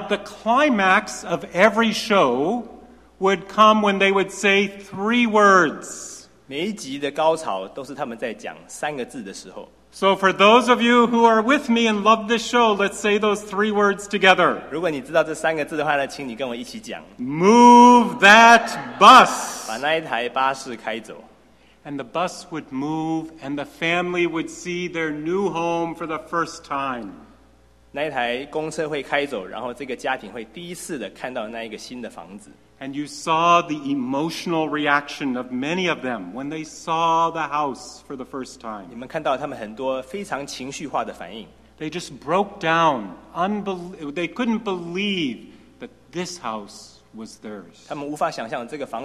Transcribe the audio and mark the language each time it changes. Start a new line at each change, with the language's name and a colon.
English: the climax of every show would come when they would say three words.
Chinese: 每一集的高潮都是他们在讲三个字的时候。
English: So for those of you who are with me and love this show, let's say those three words together.
Chinese: 如果你知道这三个字的话呢，请你跟我一起讲。
English: Move that bus.
Chinese: 把那一台巴士开走。
English: And the bus would move, and the family would see their new home for the first time.
Chinese: 那一台公车会开走，然后这个家庭会第一次的看到那一个新的房子。
English: And you saw the emotional reaction of many of them when they saw the house for the first time.
Chinese: 你们看到他们很多非常情绪化的反应。
English: They just broke down. They couldn't believe that this house was theirs.